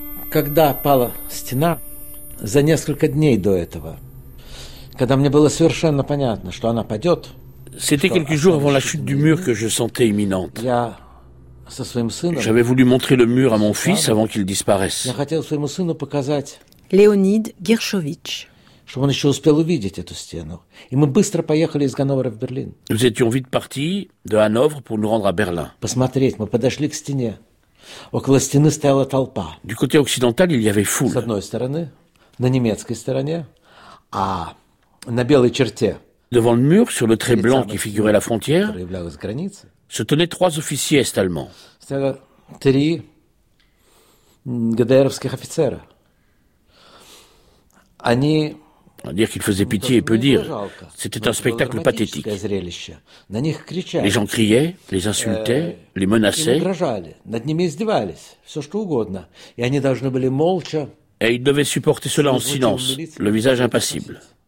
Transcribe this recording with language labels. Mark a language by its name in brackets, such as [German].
[Russian] Когда пала стена за несколько дней до этого, когда мне было совершенно понятно, что она падет, [French] c'était quelques jours avant la chute du mur que je sentais imminente. [Russian] Я со своим сыном. [French] J'avais voulu montrer le mur à mon fils avant qu'il disparaisse. [Russian] Я хотел своему сыну показать. Леонид Гершович. Чтобы он еще успел увидеть эту стену. И мы быстро поехали из Ганновера в Берлин. [French] Nous étions vite partis de Hanovre pour nous rendre à Berlin. [Russian] Посмотреть, мы подошли к стене. Около стены стояла толпа. [French] Du côté occidental, il y avait foule. [Russian] С одной стороны, на немецкой стороне, а на белой черте. [French] Devant le mur, sur le trait blanc qui figurait la frontière, [Russian] проявлялась граница. [French] Se tenaient trois officiers est-allemands. [Russian] Стояло три ГДРовских офицера. Они [French] Dire qu'il faisait pitié est peu dire. C'était un spectacle pathétique. Les gens criaient, les insultaient, les menaçaient. Et ils devaient supporter cela en silence, le visage impassible.